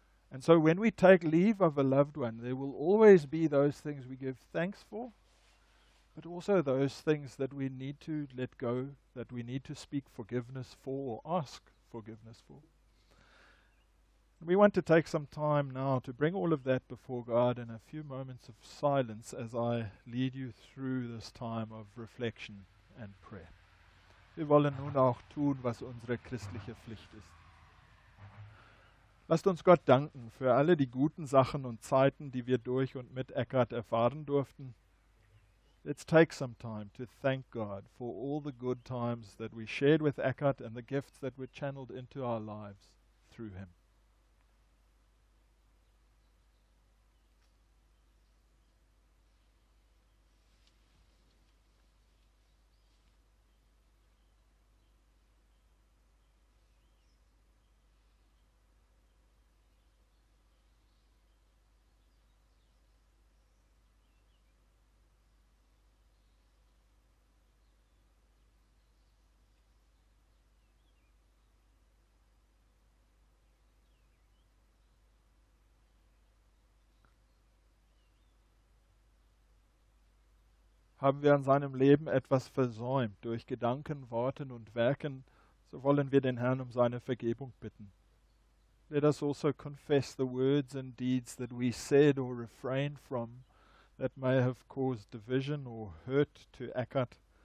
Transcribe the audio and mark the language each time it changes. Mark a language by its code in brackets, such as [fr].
[en] And so when we take leave of a loved one, there will always be those things we give thanks for, but also those things that we need to let go, that we need to speak forgiveness for or ask forgiveness for. We want to take some time now to bring all of that before God in a few moments of silence as I lead you through this time of reflection and prayer. [de] Wir wollen nun auch tun, was unsere christliche Pflicht ist. Lasst uns Gott danken für alle die guten Sachen und Zeiten, die wir durch und mit Eckard erfahren durften. [en] Let's take some time to thank God for all the good times that we shared with Eckard and the gifts that were channeled into our lives through him. [de] Haben wir an seinem Leben etwas versäumt durch Gedanken, Worten und Werken, so wollen wir den Herrn um seine Vergebung bitten. [en] Let us also confess the words and deeds that we said or refrained from that may have caused division or hurt to Eckard.